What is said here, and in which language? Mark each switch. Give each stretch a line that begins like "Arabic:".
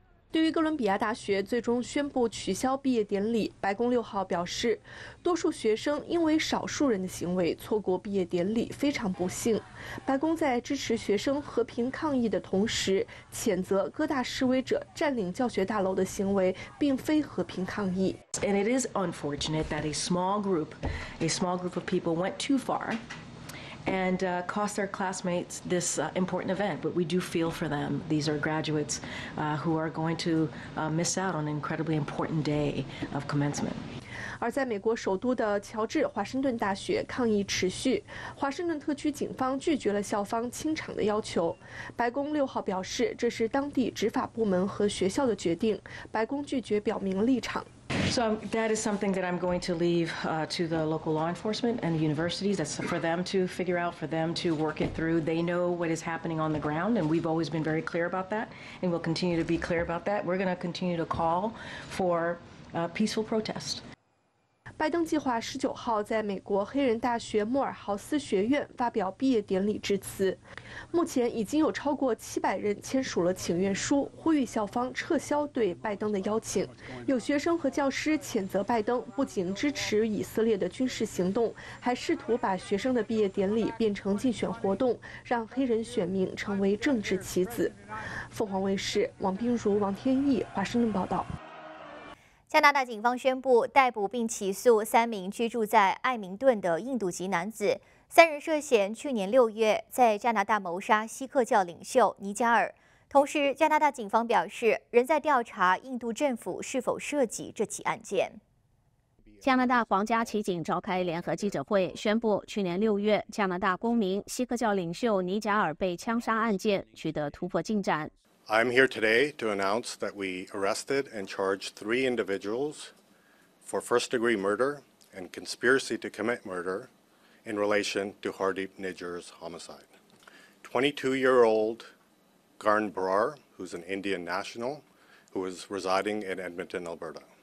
Chinese: 对于哥伦比亚大学最终宣布取消毕业典礼，白宫6号表示，多数学生因为少数人的行为错过毕业典礼，非常不幸。白宫在支持学生和平抗议的同时，谴责各大示威者占领教学大楼的行为并非和平抗议。
English: And it is unfortunate that a small group of people went too far. And cost their classmates this important event, but we do feel for them. These are graduates who are going to miss out on an incredibly important day of commencement.
Chinese: 而在美国首都的乔治华盛顿大学抗议持续，华盛顿特区警方拒绝了校方清场的要求。白宫6号表示，这是当地执法部门和学校的决定，白宫拒绝表明立场。
English: So that is something that I'm going to leave to the local law enforcement and the universities. That's for them to figure out, for them to work it through. They know what is happening on the ground, and we've always been very clear about that, and we'll continue to be clear about that. We're going to continue to call for peaceful protest.
Chinese: 拜登计划19号在美国黑人大学莫尔豪斯学院发表毕业典礼致辞。目前已经有超过700人签署了请愿书，呼吁校方撤销对拜登的邀请。有学生和教师谴责拜登不仅支持以色列的军事行动，还试图把学生的毕业典礼变成竞选活动，让黑人选民成为政治棋子。凤凰卫视王冰如、王天翼华盛顿报道。加拿大警方宣布逮捕并起诉3名居住在艾明顿的印度籍男子，3人涉嫌去年6月在加拿大谋杀锡克教领袖尼加尔。同时，加拿大警方表示仍在调查印度政府是否涉及这起案件。加拿大皇家骑警召开联合记者会，宣布去年六月加拿大公民锡克教领袖尼贾尔被枪杀案件取得突破进展。
English: I'm here today to announce that we arrested and charged three individuals for first-degree murder and conspiracy to commit murder in relation to Hardeep Nijjar's homicide. 22-year-old Garn Brar, who's an Indian national, who is residing in Edmonton, Alberta.